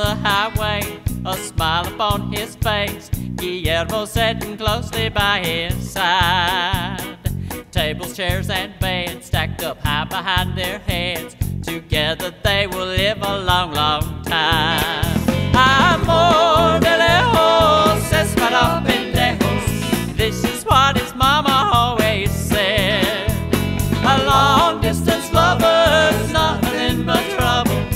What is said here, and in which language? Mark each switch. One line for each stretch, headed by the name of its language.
English: Highway, a smile upon his face. Guillermo sitting closely by his side. Tables, chairs, and beds stacked up high behind their heads. Together they will live a long, long time.
Spanish: Amor de lejos es para pendejos.
English: This is what his mama always said. A long distance lover's nothing but trouble.